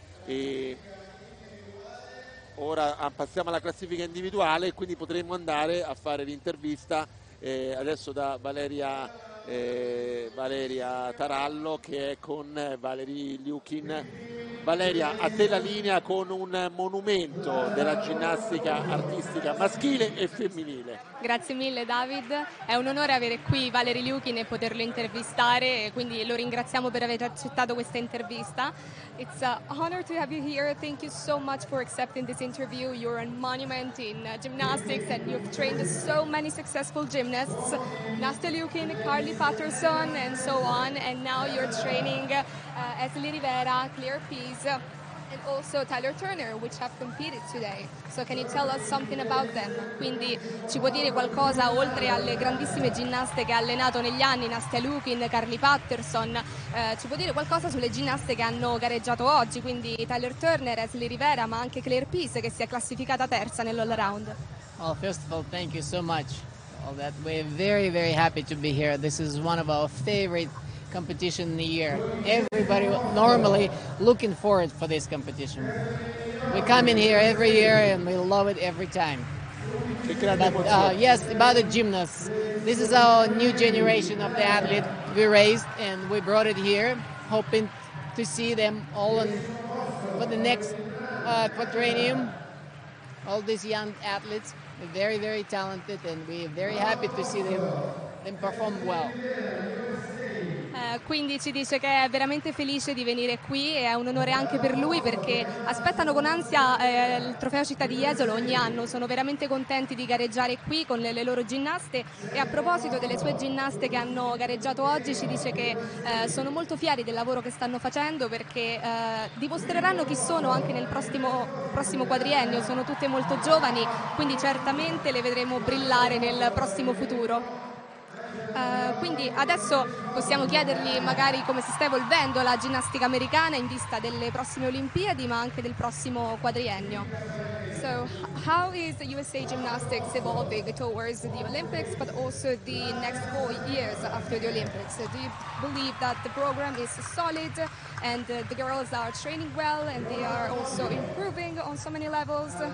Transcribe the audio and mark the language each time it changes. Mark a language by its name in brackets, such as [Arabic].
[Italian] E ora passiamo alla classifica individuale, quindi potremo andare a fare l'intervista adesso da Valeria Tarallo, che è con Valerie Liukin. Valeria, a te la linea con un monumento della ginnastica artistica maschile e femminile. Grazie mille David, è un onore avere qui Valerie Liukin e poterlo intervistare, quindi lo ringraziamo per aver accettato questa intervista. [English] It's an honor to have you here, thank you so much for accepting this interview. You're a monument in gymnastics and you've trained so many successful gymnasts, Nastia Liukin, Carly Patterson and so on, and now you're training Esli Rivera, Claire Pease, and also Tyler Turner, which have competed today. So can you tell us something about them? [Italian] Quindi ci può dire qualcosa oltre alle grandissime ginnaste che ha allenato negli anni, Nastia Liukin, Carly Patterson, ci può dire qualcosa sulle ginnaste che hanno gareggiato oggi, quindi Tyler Turner, Esli Rivera, ma anche Claire Pease, che si è classificata terza nell'all around. [English] Well, first of all, thank you so much all that. We're very, very happy to be here. This is one of our favorite competition in the year. Everybody normally looking forward for this competition. We come in here every year and we love it every time. But, yes, about the gymnasts. This is our new generation of the athlete we raised and we brought it here, hoping to see them all in, for the next quadrennium. All these young athletes, very, very talented, and we're very happy to see them perform well. [Italian] Quindi ci dice che è veramente felice di venire qui e è un onore anche per lui, perché aspettano con ansia il trofeo Città di Jesolo ogni anno, sono veramente contenti di gareggiare qui con le loro ginnaste. E a proposito delle sue ginnaste che hanno gareggiato oggi, ci dice che sono molto fieri del lavoro che stanno facendo, perché dimostreranno chi sono anche nel prossimo quadriennio. Sono tutte molto giovani, quindi certamente le vedremo brillare nel prossimo futuro. Quindi adesso possiamo chiedergli magari come si sta evolvendo la ginnastica americana in vista delle prossime Olimpiadi, ma anche del prossimo quadriennio. [English] So, how is the USA gymnastics evolving towards the Olympics, but also the next 4 years after the Olympics? Do you believe that the program is solid and the girls are training well and they are also improving on so many levels?